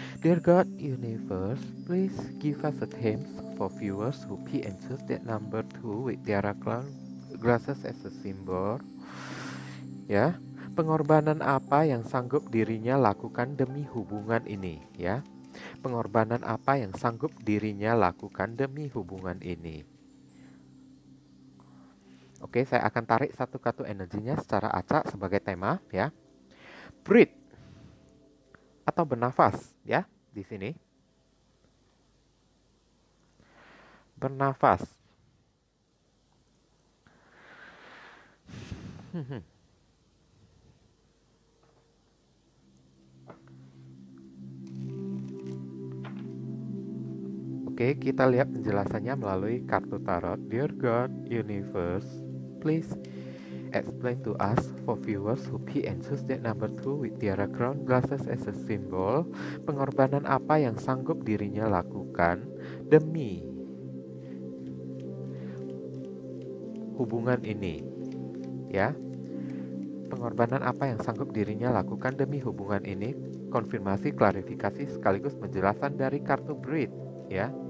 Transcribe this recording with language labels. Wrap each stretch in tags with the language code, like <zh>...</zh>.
<en>Dear God Universe, please give us a hint for viewers who pick and choose that number 2 with their glasses as a symbol.</en> <id>Ya, pengorbanan apa yang sanggup dirinya lakukan demi hubungan ini ya? Pengorbanan apa yang sanggup dirinya lakukan demi hubungan ini? Oke, saya akan tarik satu kartu energinya secara acak sebagai tema ya. Breathe atau bernafas ya di sini. Bernafas. Oke, kita lihat penjelasannya melalui kartu tarot.</id> <en>Dear God Universe, please explain to us for viewers who pick and choose that number 2 with tiara crown glasses as a symbol.</en> <id>Pengorbanan apa yang sanggup dirinya lakukan demi hubungan ini? Ya. Pengorbanan apa yang sanggup dirinya lakukan demi hubungan ini? Konfirmasi, klarifikasi sekaligus penjelasan dari kartu Breathe, ya.</id>